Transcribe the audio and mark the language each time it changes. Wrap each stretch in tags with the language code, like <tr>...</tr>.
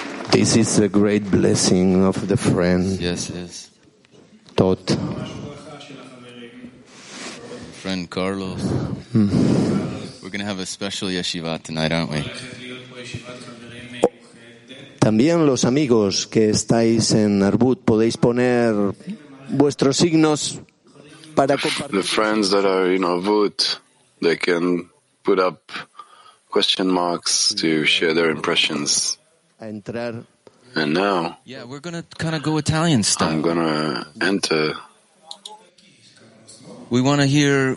<en>This is a great blessing of the friend. Yes, yes. Tot. Friend Carlos. We're going to have a special yeshiva tonight, aren't we?</en> <es>También los amigos que estáis en Arbut podéis poner vuestros signos para compartir.</es> <en>The friends that are in Arbut, they can put up question marks to share their impressions. And now, yeah, we're going to kind of go Italian style. I'm going to enter. We want to hear.</en>